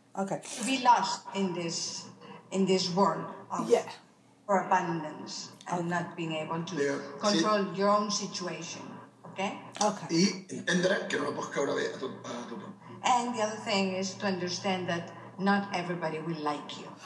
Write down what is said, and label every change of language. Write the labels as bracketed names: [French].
[English] To be lost in this world of for abundance and not being able to control your own situation. Okay. Okay. [Spanish] Y entender que no lo puedes caer bien a todo. [English] And the other thing is to understand that not everybody will like you.